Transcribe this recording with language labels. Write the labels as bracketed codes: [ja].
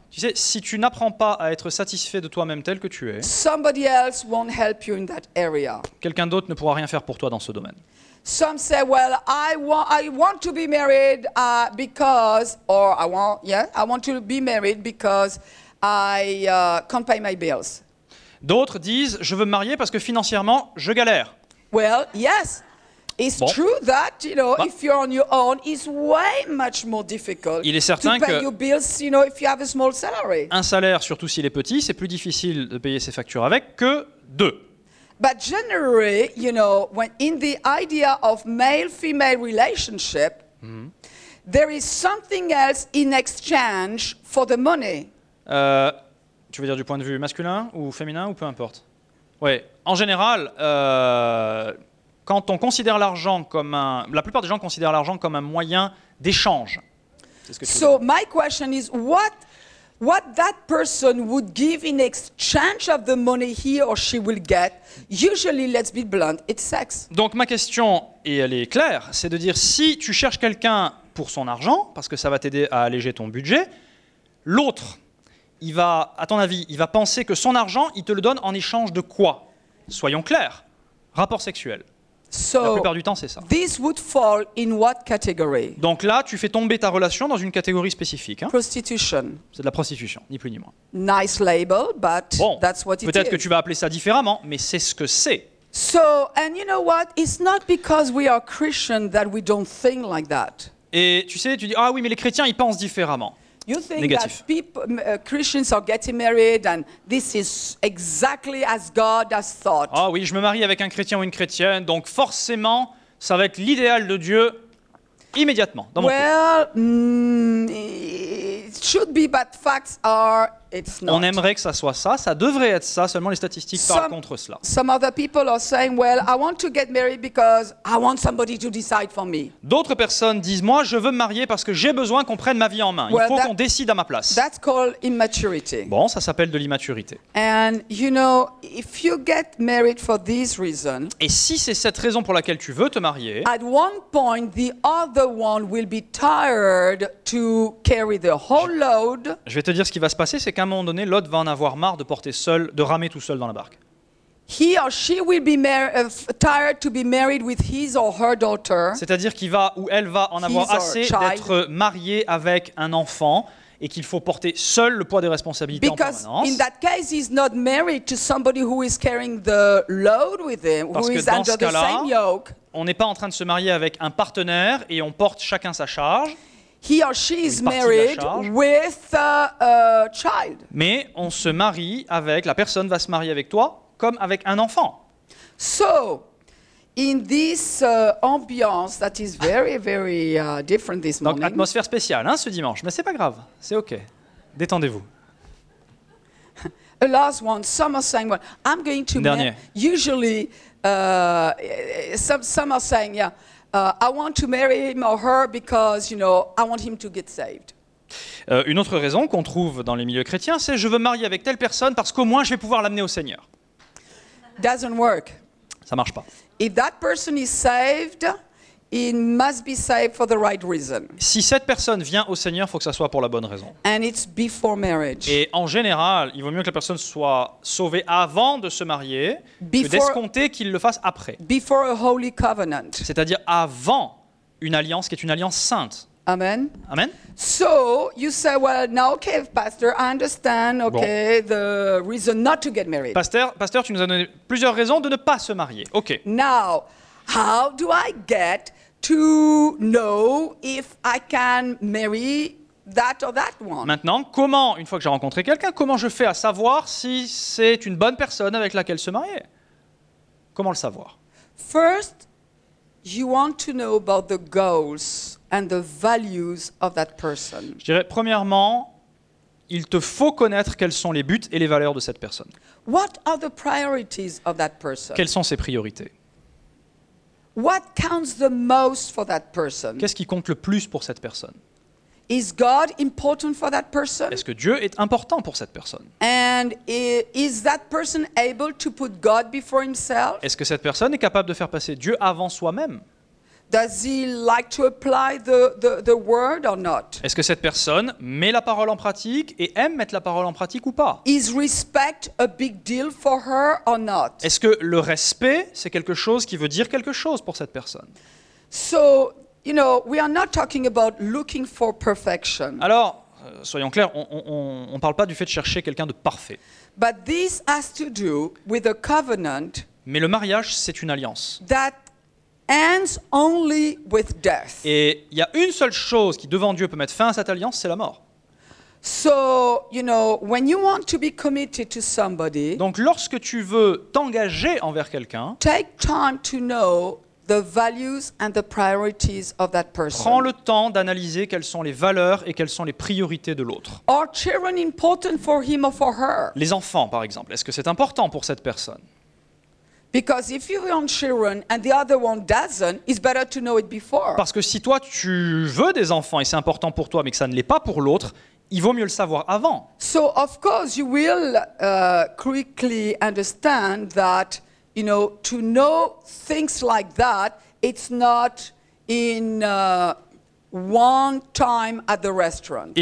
[fr] Tu sais, si tu n'apprends pas à être satisfait de toi-même tel que tu es, [en] somebody else won't help you in that area. [fr] Quelqu'un d'autre ne pourra rien faire pour toi dans ce domaine. [en] Some say, well, I want to be married because, or I want, yeah, I want to be married because I can't pay my bills. [fr] D'autres disent, je veux me marier parce que financièrement, je galère. [en] Well, yes. It's bon. True that, you know, bah. If you're on your own, it's way much more difficult. [fr] Il est certain [en] to pay [fr] que [en] your bills, you know, if you have a small salary. [fr] Un salaire, surtout s'il est petit, c'est plus difficile de payer ses factures avec que deux. [en] But generally, you know, when in the idea of male-female relationship, there is something else in exchange for the money. [fr] Tu veux dire du point de vue masculin ou féminin ou peu importe. Ouais. En général, quand on considère l'argent comme un, la plupart des gens considèrent l'argent comme un moyen d'échange. [en] So my question is what that person would give in exchange of the money he or she will get. Usually, let's be blunt, it's sex. [fr] Donc ma question, et elle est claire, c'est de dire si tu cherches quelqu'un pour son argent parce que ça va t'aider à alléger ton budget, l'autre il va, à ton avis, il va penser que son argent, il te le donne en échange de quoi? Soyons clairs. Rapport sexuel. [en] So, [fr] la plupart du temps, c'est ça. [en] This would fall in what category? [fr] Donc là, tu fais tomber ta relation dans une catégorie spécifique. Hein. [en] Prostitution. [fr] C'est de la prostitution, ni plus ni moins. [en] Nice label, but [fr] bon, [en] that's what it is. [fr] Peut-être que tu vas appeler ça différemment, mais c'est ce que c'est. [en] So, and you know what? It's not because we are Christian that we don't think like that. [fr] Et tu sais, tu dis, ah oui, mais les chrétiens, ils pensent différemment. [en] You think [fr] négatif. [en] That people, Christians are getting married and this is exactly as God has thought. [fr] Ah oui, je me marie avec un chrétien ou une chrétienne, donc forcément, ça va être l'idéal de Dieu immédiatement dans mon [en] well, [fr] cœur. [en] It should be, but facts are it's not. [fr] On aimerait que ça soit ça, ça devrait être ça, seulement les statistiques parlent contre cela. [en] Some other people are saying, well, I want to get married because I want somebody to decide for me. [fr] D'autres personnes disent, moi, je veux me marier parce que j'ai besoin qu'on prenne ma vie en main. Il faut qu'on décide à ma place. [en] That's called immaturity. [fr] Bon, ça s'appelle de l'immaturité. [en] And you know, if you get married for this reason, [fr] et si c'est cette raison pour laquelle tu veux te marier, [en] at one point, the other one will be tired to carry the whole load. [fr] Je vais te dire ce qui va se passer. C'est qu'à un moment donné, l'autre va en avoir marre de porter seul, de ramer tout seul dans la barque. [en] He or she will be tired to be married with his or her daughter. [fr] C'est-à-dire qu'il va ou elle va en avoir assez d'être marié avec un enfant et qu'il faut porter seul le poids des responsabilités [en] because [fr] en permanence. [en] In that case, he's not married to somebody who is carrying the load with him, who is under the same yoke. [fr] On n'est pas en train de se marier avec un partenaire et on porte chacun sa charge. [en] He or she is married with a child. [fr] Mais on se marie avec, la personne va se marier avec toi comme avec un enfant. [en] So, in this ambiance that is very, very different this morning. [fr] Donc, atmosphère spéciale hein, ce dimanche, mais c'est pas grave, c'est ok. Détendez-vous. [en] A last one, some are saying, well, I'm going to marry. Usually, some are saying, yeah. I want to marry him or her because, you know, I want him to get saved. [fr] Une autre raison qu'on trouve dans les milieux chrétiens, c'est je veux me marier avec telle personne parce qu'au moins je vais pouvoir l'amener au Seigneur. [en] Doesn't work. [fr] Ça marche pas. [en] If that person is saved, it must be saved for the right reason. [fr] Si cette personne vient au Seigneur, il faut que ça soit pour la bonne raison. [en] And it's before marriage. [fr] Et en général, il vaut mieux que la personne soit sauvée avant de se marier que d'escompter qu'il le fasse après. [en] Before a holy covenant. [fr] C'est-à-dire avant une alliance qui est une alliance sainte. Amen. Amen. [en] So, you say, well, now, okay, pastor, I understand, okay, [fr] bon. [en] The reason not to get married. [fr] Pasteur, tu nous as donné plusieurs raisons de ne pas se marier. [en] Okay. Now, how do I get to know if I can marry that or that one? [fr] Maintenant, comment, une fois que j'ai rencontré quelqu'un, comment je fais à savoir si c'est une bonne personne avec laquelle se marier? Comment le savoir? [en] First, you want to know about the goals and the values of that person. [fr] Je dirais, premièrement, il te faut connaître quels sont les buts et les valeurs de cette personne. [en] What are the priorities of that person? [fr] Quelles sont ses priorités? [en] What counts the most for that person? [fr] Qu'est-ce qui compte le plus pour cette personne? [en] Is God important for that person? [fr] Est-ce que Dieu est important pour cette personne? [en] And is that person able to put God before himself? [fr] Est-ce que cette personne est capable de faire passer Dieu avant soi-même? [en] Does he like to apply the word or not? [fr] Est-ce que cette personne met la parole en pratique et aime mettre la parole en pratique ou pas? [en] Is respect a big deal for her or not? [fr] Est-ce que le respect c'est quelque chose qui veut dire quelque chose pour cette personne? [en] So, you know, we are not talking about looking for perfection. [fr] Alors, soyons clairs, on parle pas du fait de chercher quelqu'un de parfait. [en] But this has to do with a covenant. [fr] Mais le mariage c'est une alliance. [en] That ends only with death. [fr] Et il y a une seule chose qui devant Dieu peut mettre fin à cette alliance, c'est la mort. [en] So, you know, when you want to be committed to somebody, [fr] donc lorsque tu veux t'engager envers quelqu'un, [en] take time to know the values and the priorities of that person. [fr] Prends le temps d'analyser quelles sont les valeurs et quelles sont les priorités de l'autre. [en] Are children important for him or for her? [fr] Les enfants par exemple, est-ce que c'est important pour cette personne? [en] Because if you want children and the other one doesn't, it's better to know it before. [fr] Parce que si toi tu veux des enfants et c'est important pour toi mais que ça ne l'est pas pour l'autre, il vaut mieux le savoir avant. [en] So of course you will quickly understand that, you know, to know things like that, it's not in one time at the restaurant.